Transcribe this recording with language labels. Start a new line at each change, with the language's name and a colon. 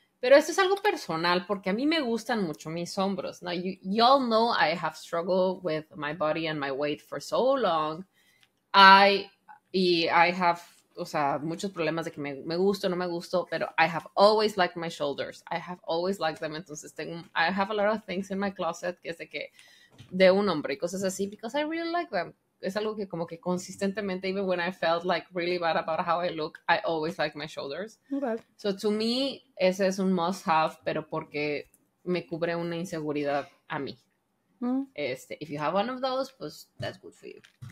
Spanish: Pero esto es algo personal porque a mí me gustan mucho mis hombros.
English: Now, you all know I have struggled with my body and my weight for so long.
Spanish: I have muchos problemas de que me gusto, no me gusto, pero
English: I have always liked my shoulders. I have always liked them. Entonces, I have a lot of things in my closet
Spanish: que es de un hombre y cosas así
English: because I really like them.
Spanish: Es algo que como que consistentemente,
English: even when I felt like really bad about how I look, I always like my shoulders. Okay. So to me,
Spanish: ese es un must have, pero porque me cubre una inseguridad a mí.
English: Este, if you have one of those, pues that's good for you.